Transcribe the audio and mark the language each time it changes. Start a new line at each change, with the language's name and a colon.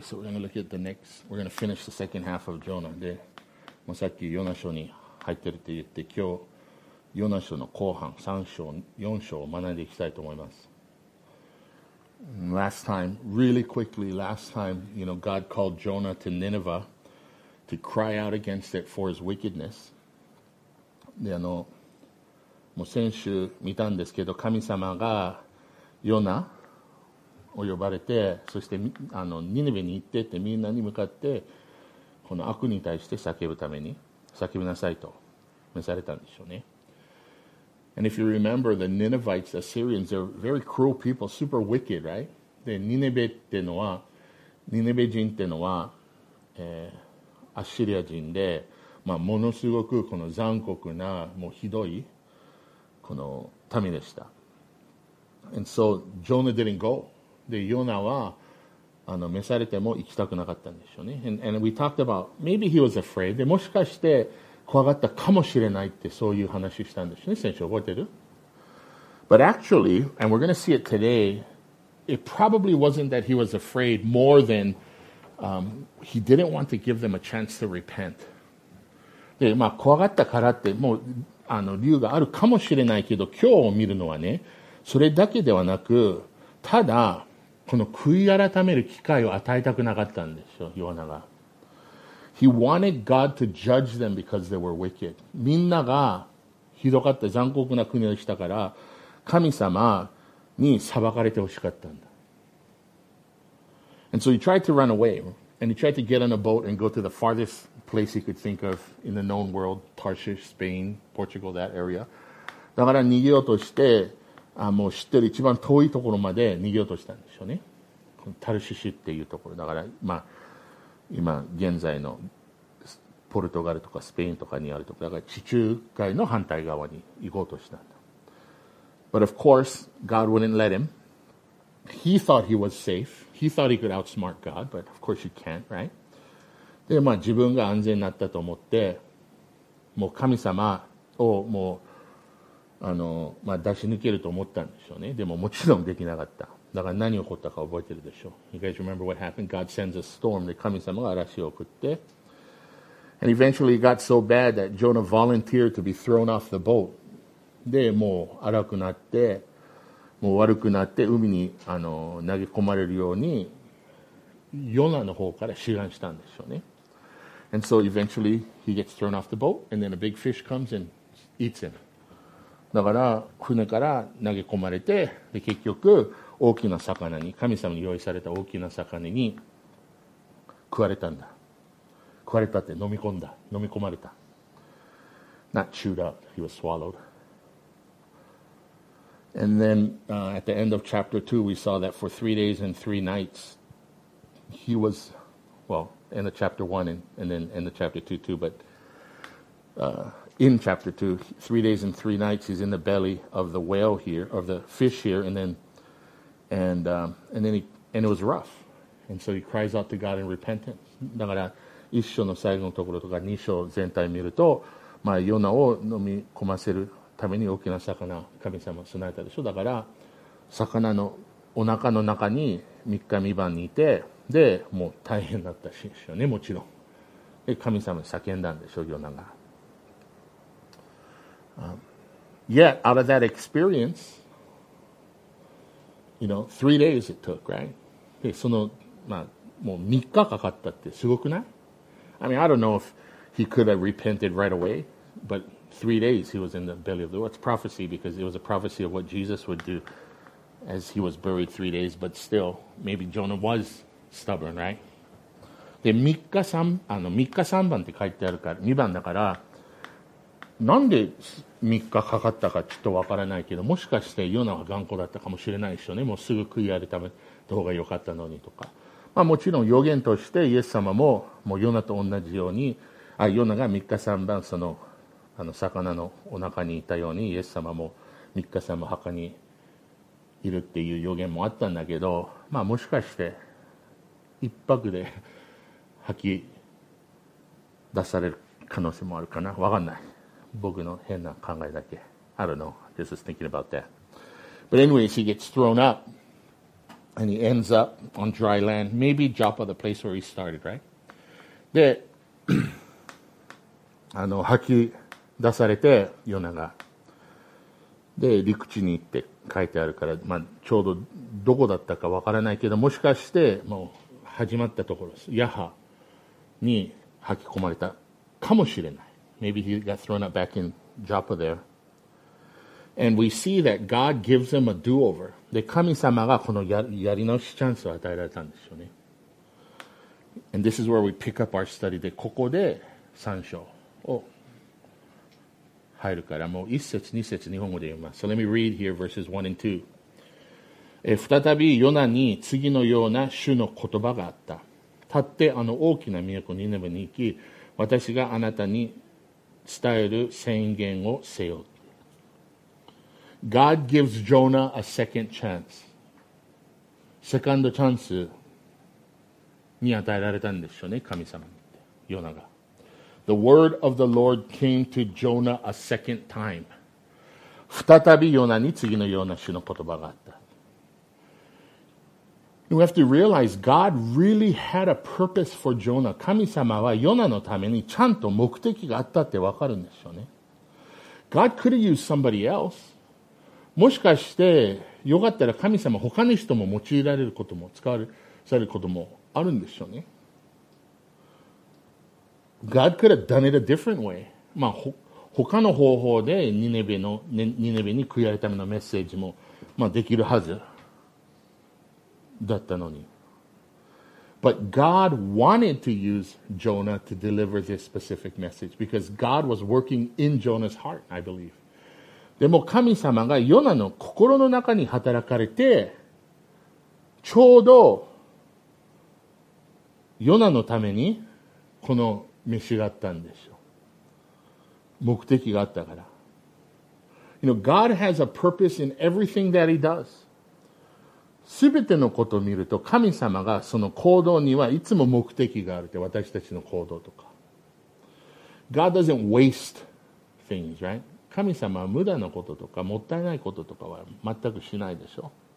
English: So we're going to look at the next. We're going to finish the second half of Jonah.
Japanese: で、もうさっきヨナ書に入ってるって言って、今日ヨナ書の後半、3章、4章を学んでいきたいと思います。
English: Last time, really quickly, last time, you know, God called Jonah to Nineveh to cry out against it for his wickedness.
Japanese: で、もう先週見たんですけど、神様がヨナを呼ばれて、そしてニネベに行ってってみんなに向かってこの悪に対して叫ぶために叫びなさいと召されたんでしょうね。
English: And if you remember the Ninevites, Assyrians, they're very cruel people, super wicked, right?
Japanese: で、ニネベってのはニネベ人ってのは、アッシリア人で、まあ、ものすごくこの残酷なもうひどいこの民でした。
English: And so Jonah didn't go.
Japanese: で、ヨナは召されても行きたくなかったんでしょうね。
English: And we talked about maybe he was afraid.
Japanese: で、もしかして怖がったかもしれないってそういう話したんでしょうね。先週覚えてる？
English: But actually, and we're going to see it today, it probably wasn't that he was afraid more than he didn't want to give them a chance to repent.
Japanese: で、まあ怖がったからってもう理由があるかもしれないけど、今日を見るのはね、それだけではなく、ただこの悔い改める機会を与えたくなかったんですよ、ヨナが。
English: He wanted God to judge them because they were wicked.
Japanese: みんながひどかった残酷な国でしたから、神様に裁かれてほしかったんだ。
English: And so he tried to run away, and he tried to get on a boat and go to the farthest place he could think of in the known world, Tarshish, Spain, Portugal, that area.
Japanese: だから逃げようとして、もう知ってる一番遠いところまで逃げようとしたんでしょうね。このタルシシっていうところ。だから、まあ、今現在のポルトガルとかスペインとかにあるところ。だから地中海の反対側に行こうとしたんだ。
English: But of course, God wouldn't let him. He thought he was safe. He thought he could outsmart God, but of course you can't, right?
Japanese: で、まあ、自分が安全になったと思って、もう神様をもう、まあ、出し抜けると思ったんでしょうね。でももちろんできなかった。だから何起こったか覚えてるでしょう。
English: You guys remember what happened? God sends a storm.
Japanese: で、神様が嵐を送って。
English: And eventually it got so bad that Jonah volunteered to be thrown off the boat.
Japanese: で、もう荒くなって、もう悪くなって海に投げ込まれるように、ヨナの方から志願したんでしょうね。
English: And so eventually he gets thrown off the boat and then a big fish comes and eats him.
Japanese: だから船から投げ込まれて、で結局大きな魚に、神様に用意された大きな魚に食われたんだ。食われたって飲み込んだ。飲み込まれた。
English: Not chewed up. He was swallowed. And then at the end of chapter 2 we saw that for 3 days and 3 nights he was, well, in the chapter 1 and then in the chapter 2 too, but in chapter 2, 3 days and 3 nights, he's in the belly of the whale here, of the fish here, and then it was rough. And so he cries out to God in repentance.
Japanese: だから、一章の最後のところとか、二章全体見ると、まあ、ヨナを飲み込ませるために大きな魚、神様備えたでしょ。だから、魚のお腹の中に三日三晩にいて、でもう大変だったしですよね、もちろん。で、神様に叫んだんでしょう、ヨナが。
English: Yet, out of that experience, you know, 3 days it took, right?
Japanese: で、その、まあ、もう3日かかったってすごくない？
English: I mean, I don't know if he could have repented right away, but 3 days he was in the belly of the whale. It's prophecy because it was a prophecy of what Jesus would do as he was buried 3 days, but still, maybe Jonah was... Stubborn, right?
Japanese: で、3日3晩って書いてあるから、2番だから、なんで3日かかったかちょっとわからないけど、もしかしてヨナは頑固だったかもしれないでしょうね。もうすぐ悔い改めた方がよかったのにとか。まあもちろん予言としてイエス様 もうヨナと同じように、ヨナが3日3晩その、魚のお腹にいたように、イエス様も3日3晩墓にいるっていう予言もあったんだけど、まあもしかして、一泊で吐き出される可能性もあるかな。わかんない。僕の変な考えだけ。
English: I don't know. Just thinking about that. But anyways, he gets thrown up. And he ends up on dry land. Maybe Joppa, the place where he started, right?
Japanese: で、あの、吐き出されて、ヨナが。で、陸地に行って書いてあるから、まあ、ちょうどどこだったかわからないけど、もしかして、もう始まったところです。ヤハに吐き込まれたかもしれない。
English: Maybe he got thrown up back in Joppa there. And we see that God gives him a do-over.
Japanese: で、神様がこのやり直しチャンスを与えられたんですよね。
English: And this is where we pick up our study.
Japanese: で、ここで3章を入るから、もう1節、2節、日本語で読みます。
English: So let me read here verses 1 and 2.
Japanese: え、再びヨナに次のような主の言葉があった。立ってあの大きな都ニネベに行き、私があなたに伝える宣言をせよ。
English: God gives Jonah a second chance.
Japanese: セカンドチャンスに与えられたんでしょうね、神様に。ヨナが。
English: The word of the Lord came to Jonah a second time.
Japanese: 再びヨナに次のような主の言葉があった。
English: We have to realize God really had a purpose for Jonah.
Japanese: 神様はヨナのためにちゃんと目的があったってわかるんですよね。
English: God could have used somebody else.
Japanese: もしかしてよかったら神様他の人も用いられることも使われることもあるんですよね。
English: God could have done it a different way.
Japanese: まあ他の方法でニネベに悔い改めのメッセージも、まあ、できるはず。だったのに。
English: But God wanted to use Jonah to deliver this specific message because God was working in Jonah's heart, I believe.
Japanese: でも神様がヨナの心の中に働かれて、ちょうどヨナのためにこの召があったんでしょう。目的があったから。
English: You know, God has a purpose in everything that he does.
Japanese: すべてのことを見ると神様がその行動にはいつも目的があるって私たちの行動とか。
English: God doesn't waste things, right?
Japanese: 神様は無駄なこととかもったいないこととかは全くしないでしょ。